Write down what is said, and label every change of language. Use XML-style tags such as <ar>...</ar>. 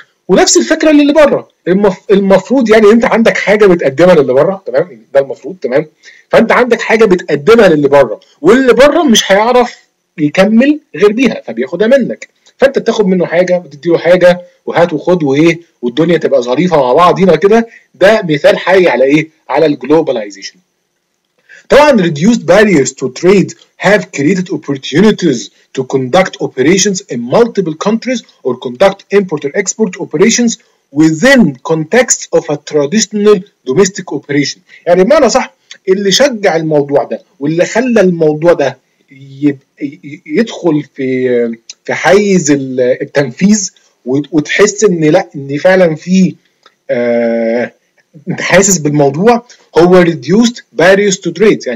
<ar>ونفس الفكره اللي بره، المفروض يعني انت عندك حاجه بتقدمها للي بره، تمام؟ ده المفروض، تمام؟ فانت عندك حاجه بتقدمها للي بره، واللي بره مش هيعرف يكمل غير بيها، فبياخدها منك، فانت بتاخد منه حاجه بتديله حاجه، وهات وخد، وايه، والدنيا تبقى ظريفه مع بعضينا كده. ده مثال حي على ايه؟ على الجلوبالايزيشن. طبعا</ar> <en>reduced barriers to trade have created opportunities to conduct operations in multiple countries or conduct import or export operations within context of a traditional domestic operation.</en> <ar>يعني بمعنى صح، اللي شجع الموضوع ده واللي خلى الموضوع ده يدخل في حيز التنفيذ، وتحس ان لا، ان فعلا في انت حاسس بالموضوع، هو</ar> <en>reduced barriers to trade.</en>